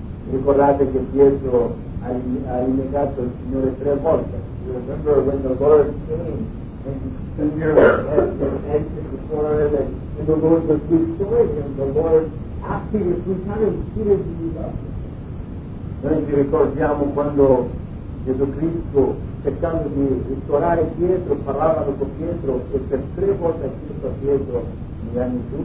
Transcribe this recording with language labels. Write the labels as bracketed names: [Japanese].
[Italian] Ricordate che Pietro ha rinnegato il Signore tre volte. [English] Remember when the Lord came and entered before him and the Lord was restoring him, the Lord asked him three times, Peter, do you love me? [Italian] Noi ci ricordiamo quando Gesù Cristo, cercando di ristorare Pietro, parlava dopo Pietro e per tre volte ha chiesto a Pietro, mi ami tu?